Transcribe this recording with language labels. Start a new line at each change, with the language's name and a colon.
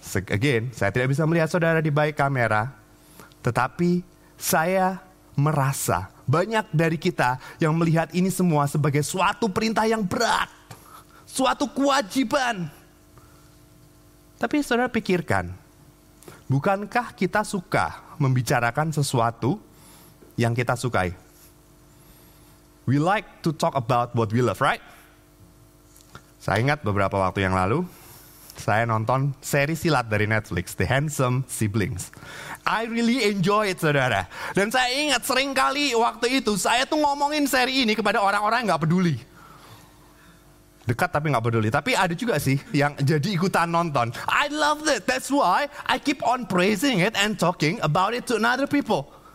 Indonesian: Again, saya tidak bisa melihat saudara di balik kamera, tetapi saya merasa banyak dari kita yang melihat ini semua sebagai suatu perintah yang berat, suatu kewajiban. Tapi saudara pikirkan, bukankah kita suka membicarakan sesuatu yang kita sukai?
English: We like to talk about what we love, right?
Indonesian: Saya ingat beberapa waktu yang lalu, saya nonton seri silat dari Netflix, The Handsome Siblings.
English: I really enjoy it, saudara.
Indonesian: Dan saya ingat seringkali waktu itu, saya tuh ngomongin seri ini kepada orang-orang yang gak peduli. Dekat tapi gak peduli. Tapi ada juga sih yang jadi ikutan nonton.
English: I love it, that's why I keep on praising it and talking about it to another people.